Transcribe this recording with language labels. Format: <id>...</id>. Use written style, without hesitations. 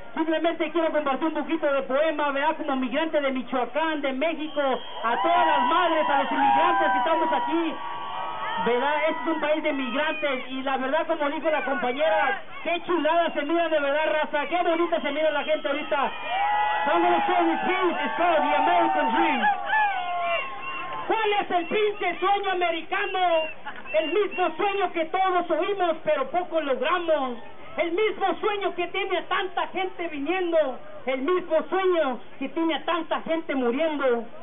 <es>Simplemente quiero compartir un poquito de poema, ¿verdad? Como migrante de Michoacán, de México, a todas las madres, a los inmigrantes que estamos aquí, ¿verdad? Este es un país de migrantes y la verdad, como dijo la compañera, qué chulada se mira de verdad, raza, qué bonita se mira la gente ahorita.</es> <en>I'm gonna show you peace, it's called the American Dream.</en> <es>¿Cuál es el pinche sueño americano? El mismo sueño que todos oímos, pero poco logramos. El mismo sueño que tiene a tanta gente viniendo. El mismo sueño que tiene a tanta gente muriendo.</es>